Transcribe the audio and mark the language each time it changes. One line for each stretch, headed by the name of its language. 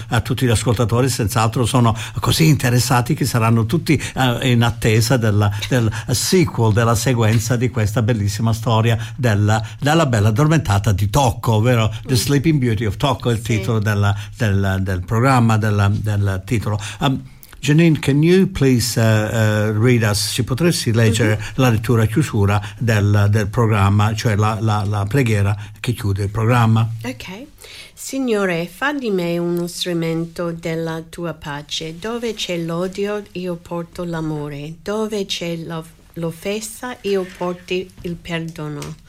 Italian: A tutti gli ascoltatori senz'altro sono così interessati che saranno tutti in attesa del sequel, della sequenza di questa bellissima storia della Bella Addormentata di Tocco, vero?
English: The Sleeping Beauty of Tocco,
Italian: il sì. Titolo del programma, del titolo.
English: Janine, can you please read us?
Italian: Ci potresti leggere la lettura chiusura del programma, cioè la preghiera che chiude il programma? Ok. Signore, fa di me uno strumento della tua pace. Dove c'è l'odio, io porto l'amore. Dove c'è l'offesa, io porti il perdono.